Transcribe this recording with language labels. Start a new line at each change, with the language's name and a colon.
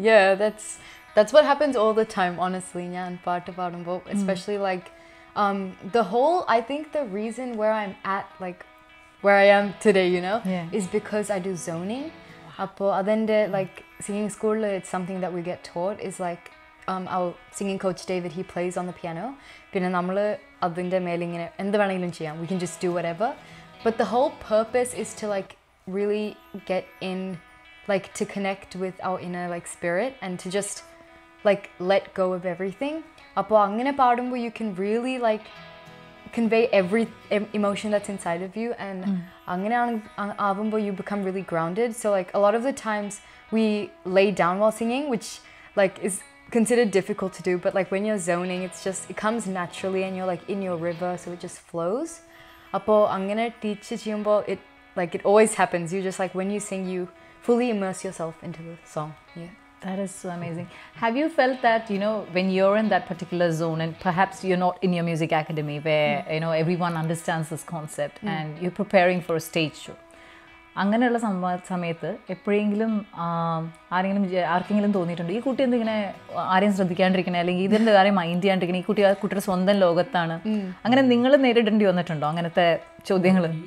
English: Yeah, that's what happens all the time, honestly.
Malayalam: Nyan paattu paadumbo,
English: especially like the whole, I think the reason where I'm at, like where I am today, you know, is because I do zoning.
Malayalam: Appo adende
English: like singing school, it's something that we get taught, is like our singing coach David, he plays on the piano.
Malayalam: പിന്നെ നമ്മൾ അതിൻ്റെ മേലിങ്ങനെ എന്ത് വേണമെങ്കിലും ചെയ്യാം,
English: We can just do whatever, but the whole purpose is to like really get in, like to connect with our inner like spirit and to just like let go of everything.
Malayalam: അപ്പോൾ അങ്ങനെ പാടുമ്പോൾ
English: You can really like convey every emotion that's inside of you, and you become really grounded. So like a lot of the times we lay down while singing, which like is considered difficult to do, but like when you're zoning, it's just, it comes naturally and you're like in your river, so it just flows.
Malayalam: Appo angane teach cheyumbo,
English: it like it always happens. You just like when you sing, you fully immerse yourself into the song. Yeah. That is so amazing. Have you felt that, you know, when you're in that particular zone and perhaps you're not in your music academy where, you know, everyone understands this concept and you're preparing for a stage show.
Malayalam: അങ്ങനെയുള്ള സമയത്ത് എപ്പോഴെങ്കിലും ആർക്കെങ്കിലും തോന്നിയിട്ടുണ്ട് ഈ കുട്ടി എന്തിങ്ങനെ ആരെയും ശ്രദ്ധിക്കാണ്ടിരിക്കണേ, അല്ലെങ്കിൽ ഇതിൻ്റെ കാര്യം മൈൻഡ് ചെയ്യാണ്ടിരിക്കണേ, ഈ കുട്ടി ആ കുട്ടിയുടെ സ്വന്തം ലോകത്താണ്, അങ്ങനെ നിങ്ങൾ നേരിടേണ്ടി വന്നിട്ടുണ്ടോ അങ്ങനത്തെ ചോദ്യങ്ങൾ?